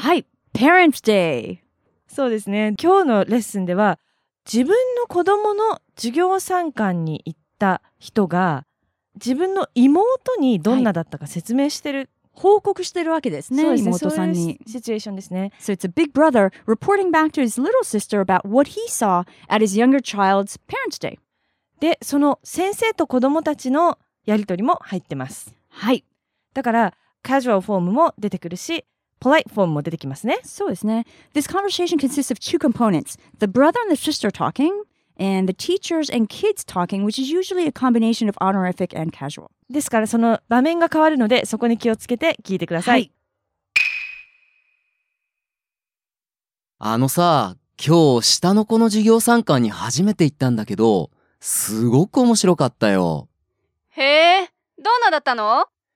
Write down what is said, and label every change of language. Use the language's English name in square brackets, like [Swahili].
[Japanese] はい、Parents Day。そうですね、今日のレッスンでは自分の子供の授業参観に行った人が自分の妹にどんなだったか説明してる、はい、報告してるわけですね。そうですね、妹さんに。そういうシチュエーションですね。 [English] So it's a big brother reporting back to his little sister about what he saw at his younger child's Parents Day。 [Japanese] で、その先生と子供たちのやり取りも入ってます。はい、だからカジュアルフォームも出てくるし、polite form も出てきますね。そうですね。 [English] This conversation consists of two components. The brother and the sister talking, and the teachers and kids talking, which is usually a combination of honorific and casual. [Japanese] ですからその場面が変わるので、そこに気をつけて聞いてください。はい。あのさ、今日下の子の授業参観に初めて行ったんだけど、すごく面白かったよ。へえ、どんなだったの？